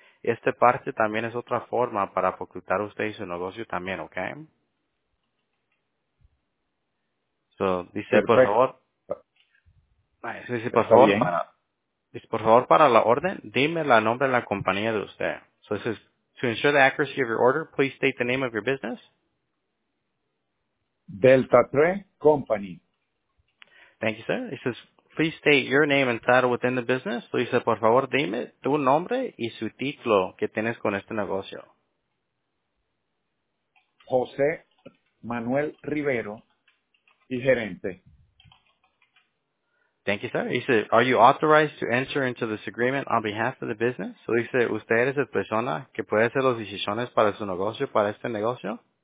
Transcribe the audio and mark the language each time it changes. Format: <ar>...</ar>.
<es>Esta parte también es otra forma para ocultar usted y su negocio también, ¿ok? So dice, por favor, para la orden, dime el nombre de la compañía de usted.</es> <en>So this is, to ensure the accuracy of your order, please state the name of your business. Delta 3 Company. Thank you, sir. He says, please state your name and title within the business. So he says,</en> <es>por favor, dime tu nombre y su título que tienes con este negocio. José Manuel Rivero y gerente.</es> <en>Thank you, sir. He says, are you authorized to enter into this agreement on behalf of the business? So he says,</en> <es>usted es la persona que puede hacer las decisiones para su negocio, para este negocio.</es>